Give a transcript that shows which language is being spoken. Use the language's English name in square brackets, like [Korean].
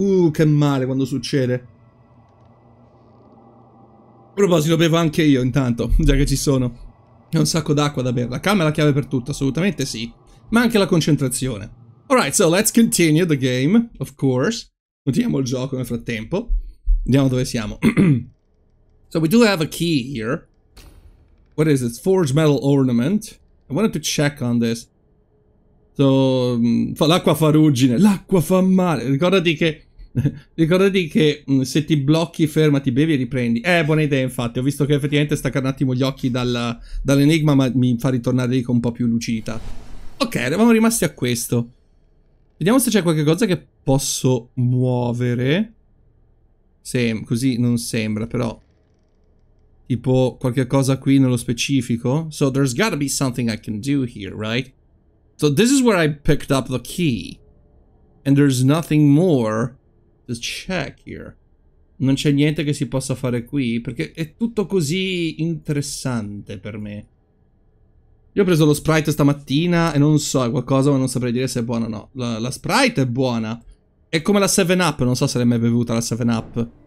[Italian] Che male quando succede. A proposito, bevo anche io intanto, già che ci sono. È un sacco d'acqua da bere. La calma è la chiave per tutto, assolutamente sì. Ma anche la concentrazione. [English] Alright, so let's continue the game, of course. [Italian] Continuiamo il gioco nel frattempo. Vediamo dove siamo. [English] So we do have a key here. What is it? Forged metal ornament. I wanted to check on this. [Italian] So, l'acqua fa ruggine. L'acqua fa male. Ricordati che Ricordati che se ti blocchi, fermati, bevi e riprendi. Buona idea, infatti. Ho visto che effettivamente stacca un attimo gli occhi dall'enigma, ma mi fa ritornare lì con un po' più lucidità. Ok, eravamo rimasti a questo. Vediamo se c'è qualche cosa che posso muovere. Se, così non sembra, però. Tipo qualche cosa qui nello specifico. [English] So there's gotta be something I can do here, right? So this is where I picked up the key. And there's nothing more to check here. [Italian] Non c'è niente che si possa fare qui, perché è tutto così interessante per me. Io ho preso lo sprite stamattina e non so, è qualcosa, ma non saprei dire se è buona o no. La sprite è buona. È come la 7-Up, non so se l'hai mai bevuta la 7-Up.